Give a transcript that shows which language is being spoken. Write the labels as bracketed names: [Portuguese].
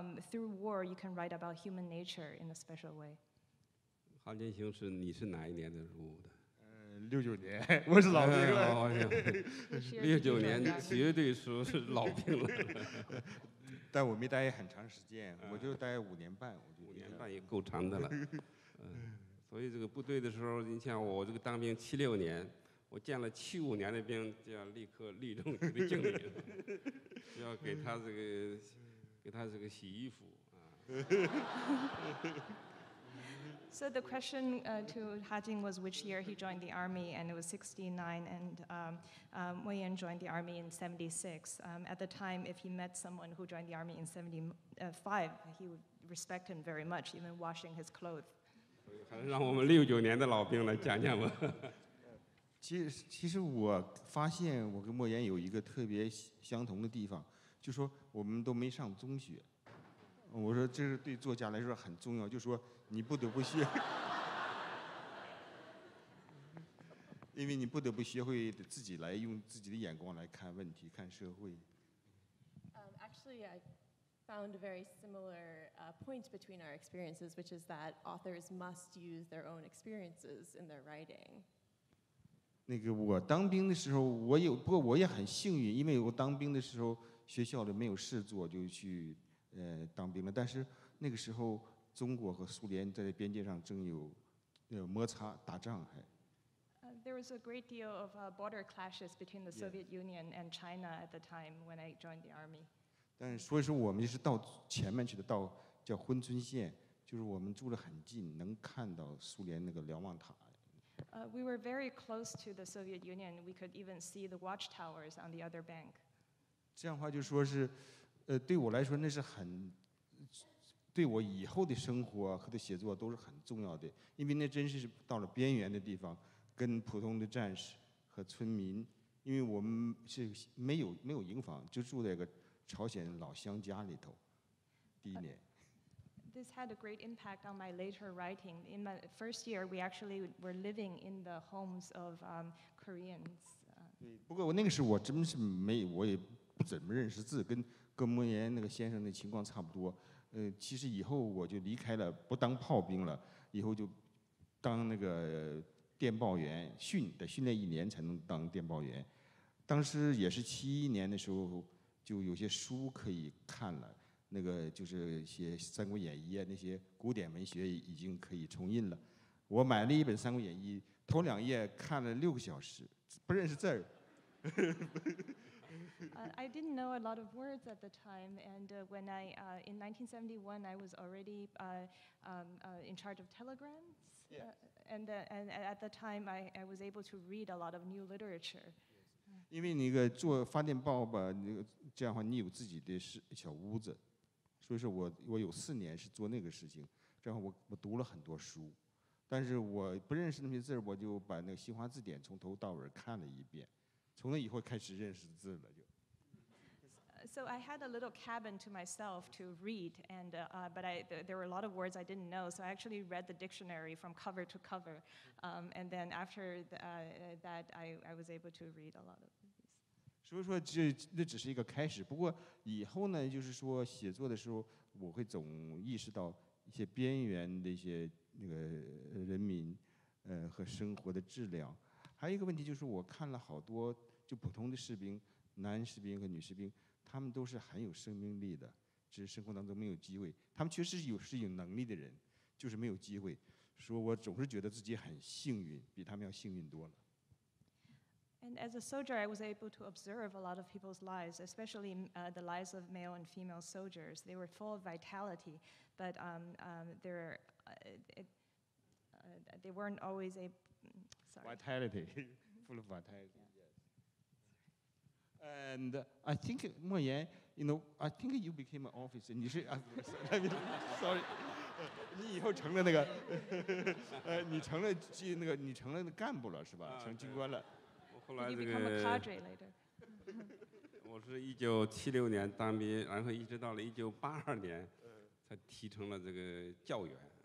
[English] Through war, you can write about human nature in a special way. [Chinese] 韩建雄是你是哪一年的入伍的？ 69年，我是老兵了。 69年，绝对说是老兵了。但我没待很长时间，我就待5年半。我觉得 5年半也够长的了。所以这个部队的时候，你像我这个当兵76年，我见了75年的兵，就要立刻立正这个敬礼，就要给他这个洗衣服啊。 [English] So the question to Ha Jing was which year he joined the army, and it was 69, and Wei Yan joined the army in 76. At the time, if he met someone who joined the army in 75, he would respect him very much, even washing his clothes. [Chinese] 还是让我们六九年的老兵来讲讲吧。其实我发现我跟Wei Yan有一个特别相同的地方，就说我们都没上中学。我说这是对作家来说很重要，就说你不得不学，因为你不得不学会自己来用自己的眼光来看问题，看社会。 [English] Actually, I found a very similar point between our experiences, which is that authors must use their own experiences in their writing. [Chinese] 那个我当兵的时候，不过我也很幸运，因为我当兵的时候学校里没有事做，就去。当兵了，但是那个时候中国和苏联在边界上正有摩擦打仗还。 [English] There was a great deal of border clashes between the Soviet Union and China at the time when I joined the army. [Chinese] 但是所以说我们是到前面去的，到叫珲春县，就是我们住得很近，能看到苏联那个瞭望塔。 [English] We were very close to the Soviet Union. We could even see the watchtowers on the other bank. [Chinese] 这样的话就说是。对我来说那是很对我以后的生活和的写作都是很重要的，因为那真是到了边缘的地方，跟普通的战士和村民，因为我们是没有营房，就住在一个朝鲜老乡家里头。第一年 [English] This had a great impact on my later writing. In my first year we actually were living in the homes of Koreans. [Chinese] 不过那个时候我真是没我也不怎么认识字，跟莫言那个先生的情况差不多，其实以后我就离开了，不当炮兵了，以后就当那个电报员，得训练一年才能当电报员。当时也是71年的时候，就有些书可以看了，那个就是写《三国演义》啊，那些古典文学已经可以重印了。我买了一本《三国演义》，头两页看了6个小时，不认识字儿。 [English] I didn't know a lot of words at the time, and when I, in 1971, I was already in charge of telegrams. Yes. And at the time, I was able to read a lot of new literature. [Chinese] 因为你一个做发电报吧，那个这样的话，你有自己的小屋子，所以说我有四年是做那个事情，这样我读了很多书，但是我不认识那些字，我就把那个新华字典从头到尾看了一遍，从那以后开始认识字了就。 [English] So I had a little cabin to myself to read, and but I, there were a lot of words I didn't know, so I actually read the dictionary from cover to cover, and then after that, I was able to read a lot of these. [Chinese] 所以说这只是一个开始，不过以后呢，就是说写作的时候，我会总意识到一些边缘的一些那个人民，和生活的质量。还有一个问题就是，我看了好多就普通的士兵，男士兵和女士兵。他们都是很有生命力的，只是生活当中没有机会。他们确实是有能力的人，就是没有机会。说我总是觉得自己很幸运，比他们要幸运多了。 [English] And as a soldier, I was able to observe a lot of people's lives, especially the lives of male and female soldiers. They were full of vitality, but they weren't always a sorry. Vitality, full of vitality. Yeah. And I think, Mo Yan, you know, I think you became an officer. [Chinese] 你是 [English] sorry, [Chinese] 你以后成了那个，你成了军那个，你成了干部了是吧？成军官了。我后来这个。 [English] You become a cadre later. [Chinese] 我是1976年当兵，然后一直到了1982年，才提成了这个教员。